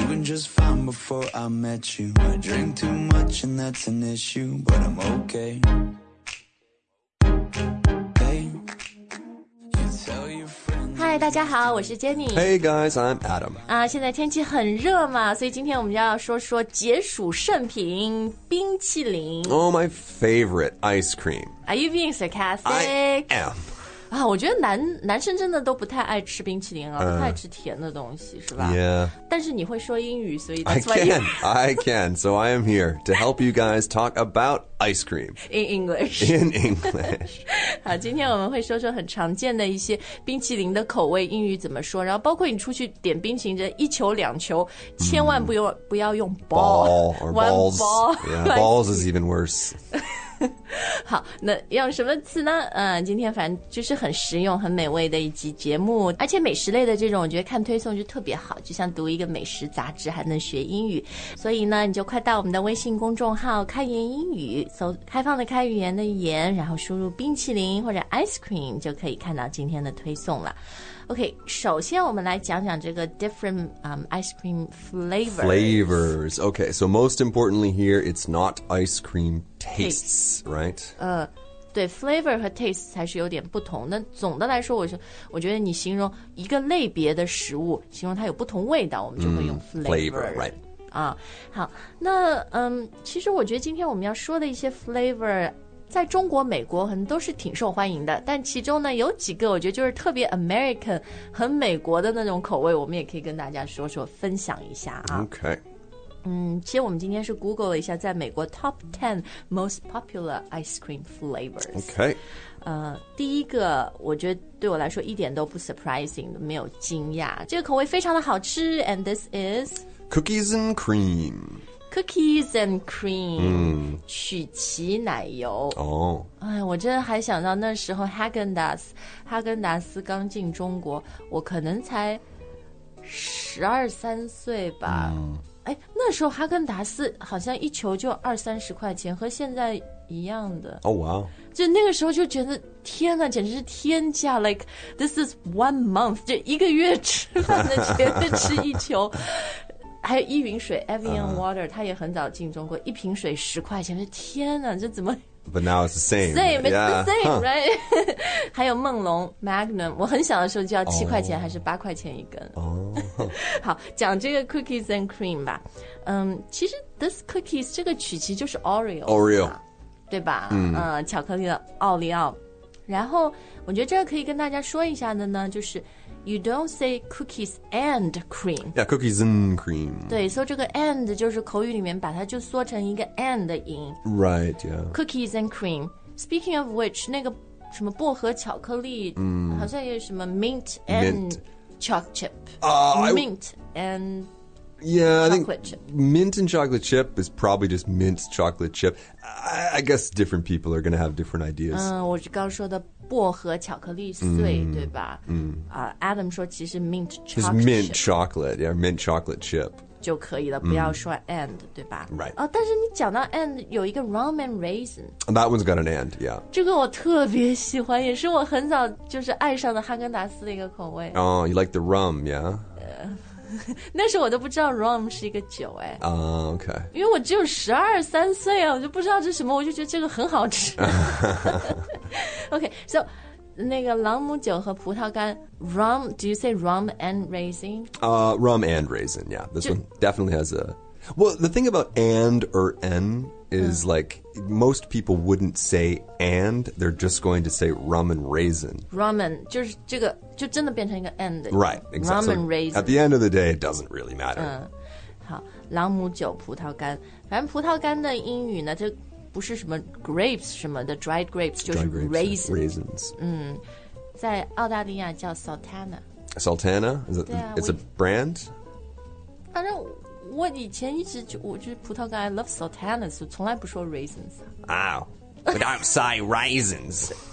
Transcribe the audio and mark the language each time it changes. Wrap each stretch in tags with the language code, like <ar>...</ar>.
<en>just fine before I met you. I drink too much and that's an issue, but I'm okay. Hey, you tell your friends.</en> <zh>Hi, 大家好，我是 Jenny.</zh> <en>Hey guys, I'm Adam.</en> <zh>啊，现在天气很热嘛，所以今天我们要说说解暑圣品冰淇淋。</zh> <en>Oh, my favorite ice cream. Are you being sarcastic? I am.</en> <zh>啊，我觉得男生真的都不太爱吃冰淇淋啊，不太爱吃甜的东西，是吧？</zh> <en>Yeah.</en> <zh>但是你会说英语，所以</zh> <en>that's why I can. So I am here to help you guys talk about ice cream. In English. In English.</en> <zh>好，今天我们会说说很常见的一些冰淇淋的口味，英语怎么说，然后包括你出去点冰淇淋，这一球两球，千万不用、mm. 不要用 ball</zh> <en>or balls. Yeah, balls is even worse.</en> <zh>好，那用什么词呢？今天反正就是很实用、很美味的一集节目，而且美食类的这种，我觉得看推送就特别好，就像读一个美食杂志，还能学英语。所以呢，你就快到我们的微信公众号"开言英语"，搜"开放的开语言的言"，然后输入"冰淇淋"或者 "ice cream"， 就可以看到今天的推送了。 OK， 首先我们来讲讲这个</zh> <en>different ice cream flavors. Flavors. Okay, so most importantly here, it's not ice cream. Tastes, right?</en> <zh>对 ，flavor 和 taste 才是有点不同。那总的来说，我觉得你形容一个类别的食物，形容它有不同味道，我们就会用 flavor,</zh> <en>right?</en> <zh>啊，好，那其实我觉得今天我们要说的一些 flavor， 在中国、美国很多是挺受欢迎的。但其中呢，有几个我觉得就是特别 American， 很美国的那种口味，我们也可以跟大家说说，分享一下啊。</zh> <en>Okay.</en> <zh>其实我们今天是 Google 了一下在美国</zh> <en>Top 10 Most Popular Ice Cream Flavors. Okay.</en> <zh>第一个我觉得对我来说一点都不 surprising, 没有惊讶。这个口味非常的好吃</zh> <en>and this is... Cookies and Cream. Cookies and Cream.</en> <zh>曲奇奶油。</zh> <en>Oh.</en> <zh>哎，我真的还想到那时候 Häagen-Dazs 刚进中国，我可能才十二三岁吧。哎，那时候哈根达斯好像一球就二三十块钱，和现在一样的。哦，哇！就那个时候就觉得，天哪，简直是天价 ！</zh> <en>Like this is one month，</en> <zh>就一个月吃饭的钱吃一球。还有依云水 Evian Water， 它也很早进中国，一瓶水十块钱，天哪，这怎么？</zh> <en>But now it's the same. Same, it's、 yeah. the same, right?、Huh.</en> <zh>还有梦龙 Magnum, 我很小的时候就要七块钱、oh. 还是八块钱一根。哦、oh. ，好，讲这个 cookies and cream 吧。其实</zh> <en>this cookies</en> <zh>这个曲奇就是 Oreo,</zh> <en>Oreo,</en> <zh>对吧？巧克力的奥利奥。然后我觉得这个可以跟大家说一下的呢，就是</zh> <en>you don't say cookies and cream. Yeah, cookies and cream.</en> <zh>对，所以这个 and 就是口语里面把它就缩成一个 and 的音。</zh> <en>Right, yeah. Cookies and cream. Speaking of which,</en> <zh>那个什么薄荷巧克力、好像也有什么</zh> <en>mint and mint. choc chip.、mint and yeah, chocolate I think chip. Mint and chocolate chip is probably just mint chocolate chip. I guess different people are going to have different ideas.</en> <zh>我刚刚说的薄荷巧克力碎、对吧、Adam 说其实</zh> <en>mint chocolate chip. It's mint chocolate, yeah, mint chocolate chip.</en> <zh>就可以了、不要说 and, 对吧</zh> <en>Right.、</en> <zh>但是你讲到 and, 有一个</zh> <en>rum and raisin. That one's got an and, yeah.</en> <zh>这个我特别喜欢，也是我很早就是爱上的哈根达斯的一个口味。</zh> <en>Oh, you like the rum, yeah?</en> <zh>那时候我都不知道 rum 是一个酒哎。</zh> <en>OK.</en> <zh>因为我只有十二三岁啊，我就不知道这是什么，我就觉得这个很好吃。</zh> <en>OK, so</en> <zh>那个朗姆酒和葡萄干</zh> <en>rum, do you say rum and raisin? Rum and raisin, yeah. This one definitely has a... Well, the thing about and or n is like most people wouldn't say and, they're just going to say rum and raisin. Rum and,</en> <zh>就是这个就真的变成一个 and.</zh> <en>Right, exactly. Rum and raisin. At the end of the day, it doesn't really matter.</en> <zh>好，朗姆酒、葡萄干，反正葡萄干的英语呢，就不是什么 grapes 什么的</zh> <en>dried grapes,</en> <zh>就是</zh> <en>raisins. Raisins.</en> <zh>在澳大利亚叫 Sultana.</zh> <en>Sultana? Is it,</en> <zh>对啊,</zh> <en>it's a brand?</en> <zh>反正我以前一直就是葡萄干</zh> <en>I love Sultana,</en> <zh>从来不说 raisins.</zh> <en>Oh, but I'm saying raisins.</en>